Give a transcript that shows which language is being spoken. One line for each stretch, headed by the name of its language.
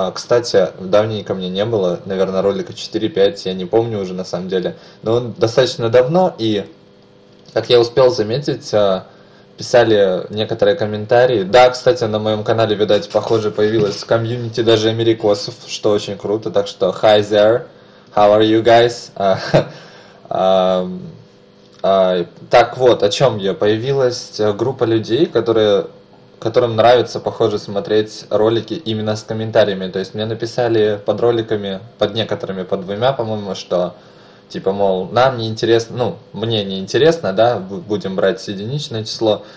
Russian: Кстати, давненько мне не было, наверное, ролика 4-5, я не помню уже на самом деле, но он достаточно давно, и как я успел заметить, писали некоторые комментарии. Да, кстати, на моем канале, видать, похоже, появилось комьюнити даже америкосов, что очень круто. Так что,
English: hi there, how are you guys?
Russian: Так вот, о чем я. Появилась группа людей, которым нравится, похоже, смотреть ролики именно с комментариями. То есть мне написали под роликами, под некоторыми, под двумя, по-моему, что типа, мол, нам не интересно, ну, мне не интересно, да, будем брать единичное число.